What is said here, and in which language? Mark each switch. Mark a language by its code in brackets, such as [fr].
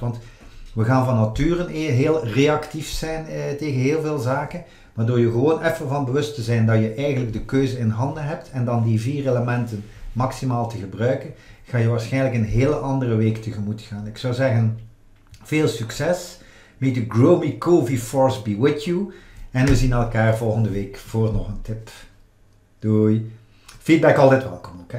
[nl] Want we gaan van nature heel reactief zijn tegen heel veel zaken. Maar door je gewoon even van bewust te zijn dat je eigenlijk de keuze in handen hebt en dan die vier elementen maximaal te gebruiken, ga je waarschijnlijk een hele andere week tegemoet gaan. Ik zou zeggen, veel succes. [en] May the Grubby Covey Force be with you. [nl] En we zien elkaar volgende week voor nog een tip. Doei. Feedback altijd welkom.